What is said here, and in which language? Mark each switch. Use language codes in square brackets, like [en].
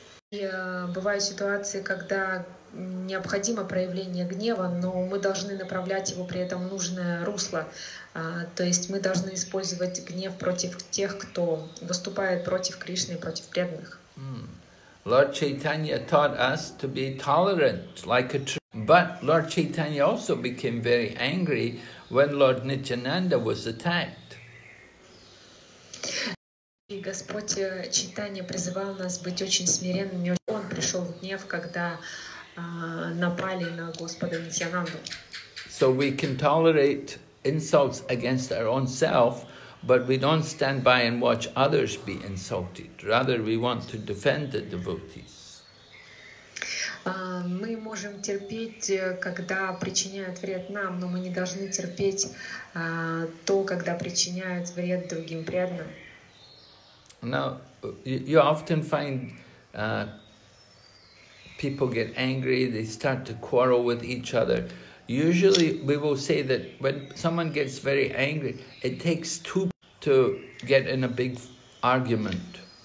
[ru] И бывают ситуации, когда необходимо проявление гнева, но мы должны направлять его при этом в нужное русло. То есть мы должны использовать гнев против тех, кто выступает против Кришны, против преданных. [en] Lord Chaitanya taught us to be tolerant, like a tree. But Lord Chaitanya also became very angry when Lord Nityananda was attacked. [ru] И Господь Чайтанья призывал нас быть очень смиренными. Он пришел в гнев, когда напали на Господа Нитьянанду. [en] So we can tolerate insults against our own self, but we don't stand by and watch others be insulted. Rather, we want to defend the devotees. [ru] Мы можем терпеть, когда причиняют вред нам, но мы не должны терпеть то, когда причиняют вред другим преданным. [en] Now, you often find people get angry, they start to quarrel with each other. Usually, we will say that when someone gets very angry, it takes two to get in a big argument.